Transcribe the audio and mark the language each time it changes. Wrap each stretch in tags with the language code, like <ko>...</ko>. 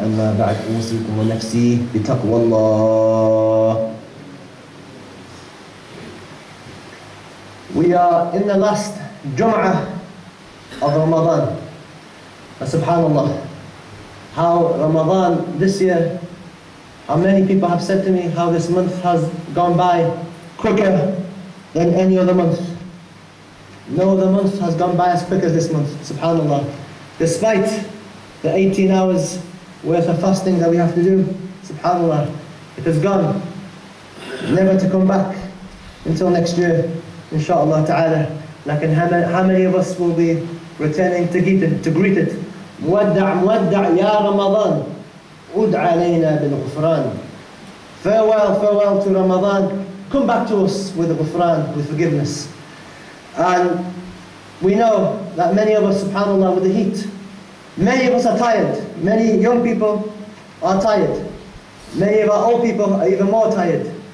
<ar>أما بعد، أوصيكم ونفسي بتقوى الله.</ar> <en>We are in the last Jum'ah of Ramadan. SubhanAllah, how Ramadan this year, how many people have said to me how this month has gone by quicker than any other month. No other month has gone by as quick as this month, SubhanAllah. Despite the 18 hours worth of fasting that we have to do, SubhanAllah, it has gone, never to come back until next year, inshaAllah ta'ala. Like, how many of us will be returning to greet it?</en> <ar>مودع مودع يا رمضان عد علينا بالغفران.</ar> <en>Farewell, farewell to Ramadan. Come back to us with the ghufran, with forgiveness. And we know that many of us, subhanAllah, with the heat, many of us are tired. Many young people are tired. Many of our old people are even more tired.</en>